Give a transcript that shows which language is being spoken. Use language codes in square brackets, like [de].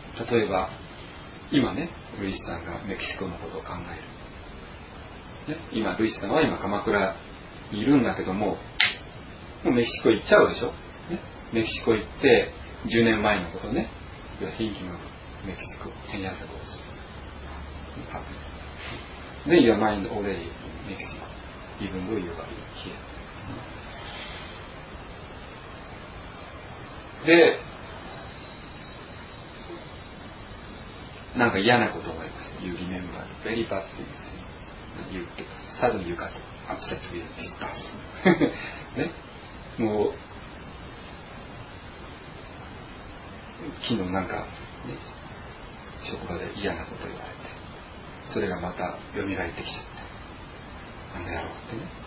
[ja] 例えば今ねルイスさんがメキシコのことを考える、ね、今ルイスさんは今鎌倉にいるんだけども、もうメキシコ行っちゃうでしょ、ね、メキシコ行って10年前のことね、いや [en] Thinking of [ja] メキシコ、 [en] 10 years ago [ja] です。 [en] Then your mind already in Mexico, even though you are here. [ja] で、なんか嫌なことがあります。 [en] You remember very bad things. You get suddenly you got upset with this person. [ja] ね、もう昨日なんか、ね、職場で嫌なこと言われて、それがまた蘇ってきちゃった。なんだろうってね。